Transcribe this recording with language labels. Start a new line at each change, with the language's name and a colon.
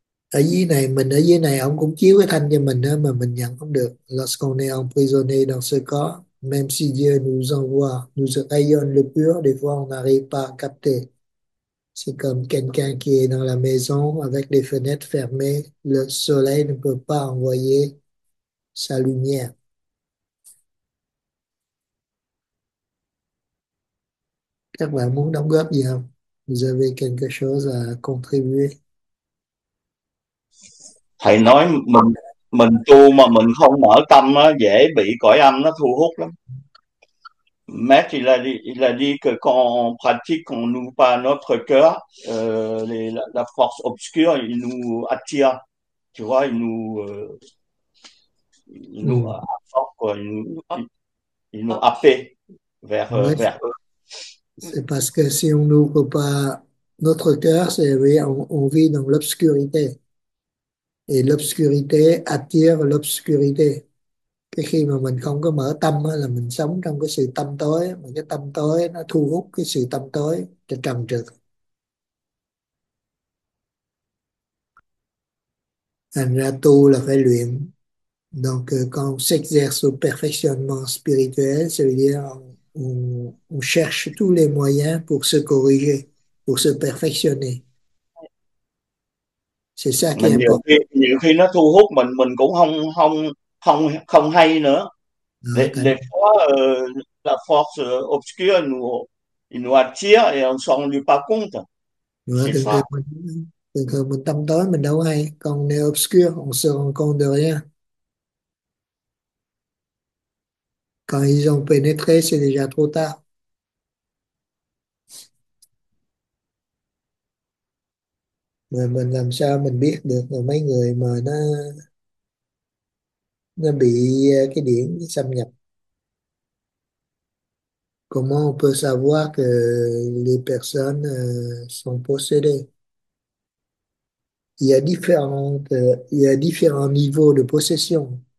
Vietnamese: Ở dưới này, mình ở dưới này, ông cũng chiếu cái thanh cho mình đó, mà mình nhận không được.
French: Lorsqu'on est emprisonné dans ce corps, même si Dieu nous envoie, nous rayonne le pur, des fois on n'arrive pas à capter. C'est comme quelqu'un qui est dans la maison avec les fenêtres fermées, le soleil ne peut pas envoyer sa lumière.
Vietnamese: Các bạn muốn đóng góp gì không?
French: Vous avez quelque chose à contribuer?
Vietnamese: Thầy nói mình tu mà mình không mở tâm á, dễ bị cõi âm nó thu hút lắm.
French: Maître, il a dit que quand on pratique, on n'ouvre pas notre cœur, la force obscure, il nous attire. Tu vois, il nous Ouais. apporte, quoi, il nous happe Ouais. vers eux. C'est parce que si on n'ouvre pas notre cœur, c'est vrai, on vit dans l'obscurité. Et l'obscurité attire l'obscurité.
Vietnamese: Cái khi mà mình không có mở tâm là mình sống trong cái sự tâm tối, mà cái tâm tối nó thu hút cái sự tâm tối cho trần trượt. Thành ra tu là phải luyện.
French: Donc, quand on s'exerce au perfectionnement spirituel, ça veut dire on cherche tous les moyens pour se corriger, pour se perfectionner. C'est ça qui est
Vietnamese: Mình
French: important.
Vietnamese: nhiều khi nó thu hút mình cũng không không không không hay nữa. Đó, cái
French: La force obscure nous attire et on s'en rend pas compte.
Vietnamese: đó,
French: C'est ça.
Vietnamese: thường thường mình tâm tối mình đâu hay, còn nếu
French: obscure on se rend compte de rien. Quand ils ont pénétré, c'est déjà trop tard.
Vietnamese: Mais mình làm sao mình biết được là mấy người mà nó bị cái điển xâm nhập.
French: Comment on peut savoir que les personnes sont possédées? Il y a différents niveaux de possession.